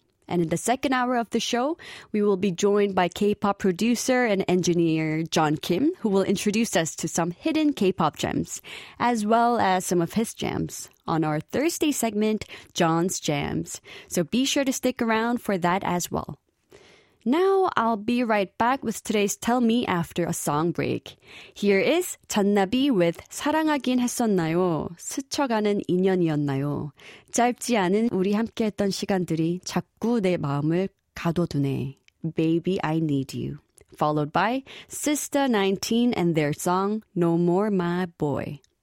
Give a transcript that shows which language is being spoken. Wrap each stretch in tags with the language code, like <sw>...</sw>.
<en>And in the second hour of the show, we will be joined by K-pop producer and engineer John Kim, who will introduce us to some hidden K-pop gems, as well as some of his jams, on our Thursday segment, John's Jams. So be sure to stick around for that as well. Now I'll be right back with today's Tell Me after a song break. Here is 잔나비 with 사랑하긴 했었나요?</en> <ko>스쳐가는 인연이었나요? 짧지 않은 우리 함께했던 시간들이 자꾸 내 마음을 가둬두네.</ko> <en>Baby, I need you. Followed by Sister 19 and their song No More My Boy.</en>